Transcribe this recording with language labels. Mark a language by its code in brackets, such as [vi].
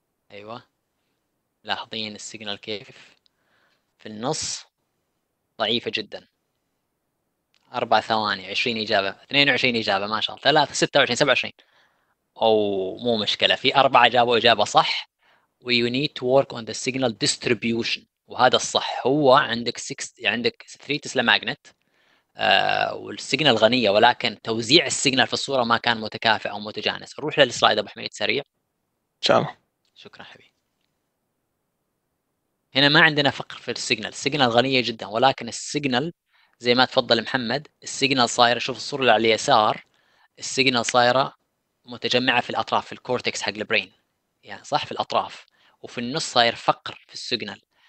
[ar] ايوه، لاحظين السيجنال كيف في النص ضعيفة جدا، 4 ثواني، 20 إجابة، 22 إجابة، ما شاء الله، 3 26 27. أو مو مشكلة، في 4 جابوا إجابة صح. [en] We need to work on the signal distribution، وهذا الصح. [ar] هو عندك 6 عندك 3 تسلا ماجنت والسيجنال غنية، ولكن توزيع السيجنال في الصورة ما كان متكافئ أو متجانس. روح للسلايد أبو حميد سريع. شاء شكرا حبيبي. هنا ما عندنا فقر في السيجنال، السيجنال غنية جدا، ولكن السيجنال زي ما تفضل محمد، السيجنال صاير، شوف الصورة اللي على اليسار، السيجنال صايرة متجمعة في الأطراف، في الكورتكس حق البرين يعني، صح، في الأطراف، وفي النص صاير فقر في السيجنال.